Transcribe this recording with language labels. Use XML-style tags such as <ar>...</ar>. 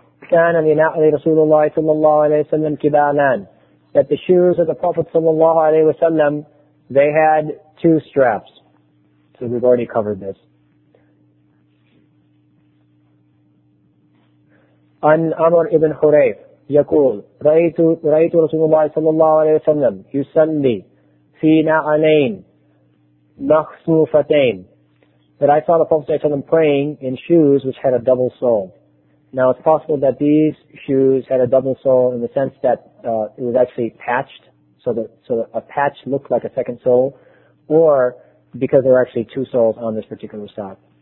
<ar>كان من نعل رسول الله صلى الله عليه وسلم كبالان.</ar> <en>That the shoes of the Prophet صلى الله عليه وسلم, they had two straps. So we've already covered this.</en> <ar>عن عمر بن حريف يقول رأيت رسول الله صلى الله عليه وسلم يصلي في نعلين مخصوفتين.</ar> <en>That I saw the Prophet صلى الله عليه وسلم praying in shoes which had a double sole. Now, it's possible that these shoes had a double sole in the sense that it was actually patched, so that a patch looked like a second sole, or because there were actually two soles on this particular sock.</en>